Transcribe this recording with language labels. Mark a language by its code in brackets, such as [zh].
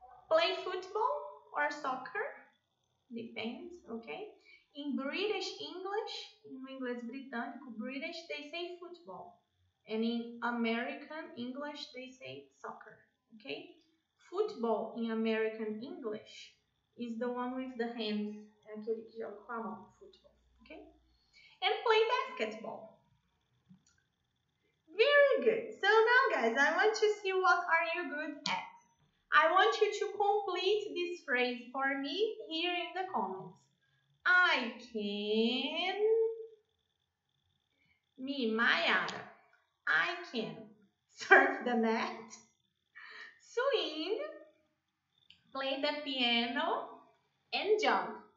[en] Play football or soccer. Depends, okay? In British English, [pt] no inglês britânico, [en] British, they say football. And in American English, they say soccer, okay? Football in American English is the one with the hands. [pt] É aquele que joga com a mão, football, okay? [en] And play basketball. Very good. So now, guys, I want to see what are you good at. I want you to complete this phrase for me here in the comments. I can... Me, Mayara. I can surf the net, swing, play the piano, and jump.